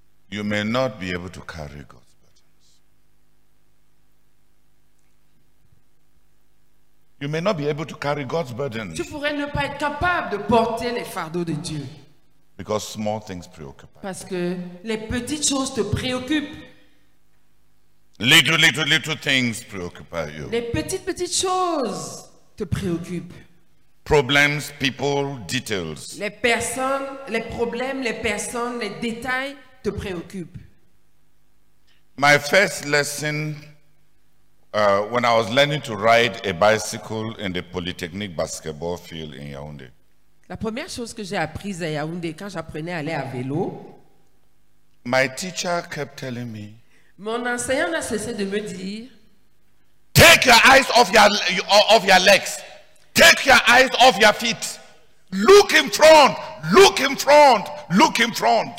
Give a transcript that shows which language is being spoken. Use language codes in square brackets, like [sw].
[en] You may not be able to carry God. You may not be able to carry God's burdens. [fr] Tu pourrais ne pas être capable de porter les fardeaux de Dieu. [en] Because small things preoccupy. [fr] Parce que les petites choses te préoccupent. [en] Little things preoccupy you. [fr] Les petites choses te préoccupent. [en] problems, people, details. [fr] Les personnes, les problèmes, les personnes, les détails te préoccupent. [en] My first lesson when I was learning to ride a bicycle in the polytechnic basketball field in Yaoundé. [fr] La première chose que j'ai apprise à Yaoundé quand j'apprenais à aller à vélo. [en] My teacher kept telling me. [fr] Mon enseignant n'a cessé de me dire. [en] Take your eyes off your legs. Take your eyes off your feet. Look in front. Look in front. Look in front.